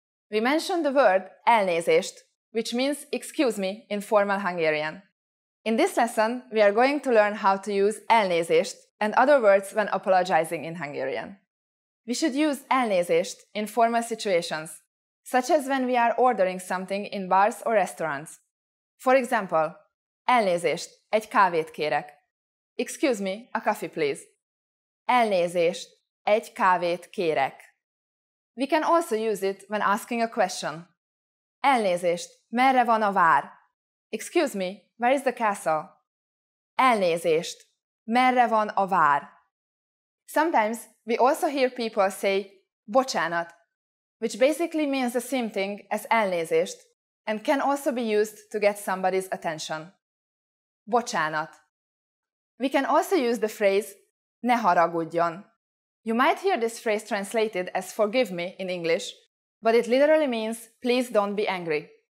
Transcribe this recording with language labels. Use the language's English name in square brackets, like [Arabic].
[English] We mentioned the word elnézést, which means excuse me in formal Hungarian. In this lesson, we are going to learn how to use elnézést and other words when apologizing in Hungarian. We should use elnézést in formal situations, such as when we are ordering something in bars or restaurants. For example, [Hungarian] elnézést, egy kávét kérek. [English] Excuse me, a coffee please. Elnézést, [Hungarian] egy kávét kérek. [English] We can also use it when asking a question. [Hungarian] Elnézést, merre van a vár? [English] Excuse me, where is the castle? [Hungarian] Elnézést, merre van a vár? [English] Sometimes we also hear people say bocsánat, which basically means the same thing as elnézést and can also be used to get somebody's attention. Bocsánat. We can also use the phrase ne haragudjon. You might hear this phrase translated as forgive me in English, but it literally means please don't be angry.